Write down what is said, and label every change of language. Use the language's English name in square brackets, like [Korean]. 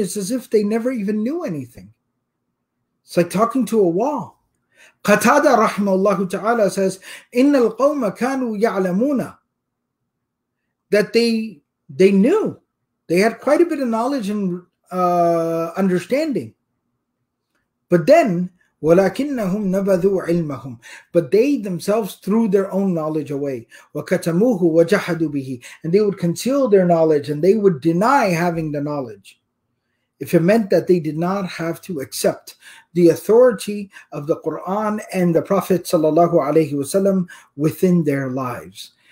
[English] It's as if they never even knew anything. It's like talking to a wall. Qatada rahimahullahu ta'ala says, [Arabic] إِنَّ الْقَوْمَ كَانُوا يَعْلَمُونَ. [English] That they knew. They had quite a bit of knowledge and understanding. But then, [Arabic] وَلَكِنَّهُمْ نَبَذُوا عِلْمَهُمْ. [English] But they themselves threw their own knowledge away. [Arabic] وَكَتَمُوهُ وَجَحَدُوا بِهِ. [English] And they would conceal their knowledge and they would deny having the knowledge, if it meant that they did not have to accept the authority of the Qur'an and the Prophet sallallahu alayhi wasallam within their lives.